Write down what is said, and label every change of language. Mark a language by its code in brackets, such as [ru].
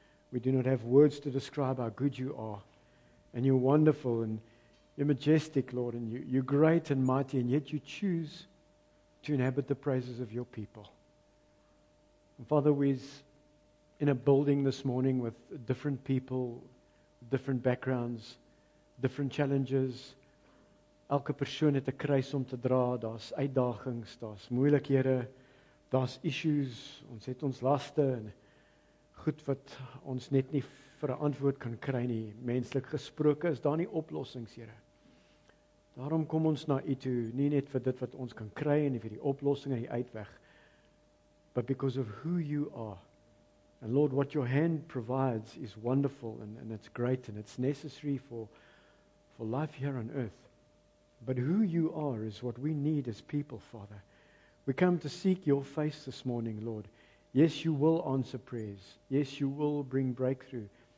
[en] We do not have words to describe how good you are. And you're wonderful and you're majestic, Lord, and you're great and mighty, and yet you choose to inhabit the praises of your people. And Father, we're in a building this morning with different people, different backgrounds, different challenges. [af] Elke persoon het 'n kruis om te dra, daar's uitdagings, daar's moeilikhede, daar's issues, ons het ons laste en goed wat ons net nie vir 'n antwoord kan kry nie. Menslik gesproke is daar nie oplossings, Here. Daarom kom ons na U toe, nie net vir dit wat ons kan kry en vir die oplossing en die uitweg, [en] but because of who you are. And Lord, what your hand provides is wonderful and it's great and it's necessary for life here on earth. But who you are is what we need as people, Father. We come to seek your face this morning, Lord. Yes, you will answer prayers. Yes, you will bring breakthrough.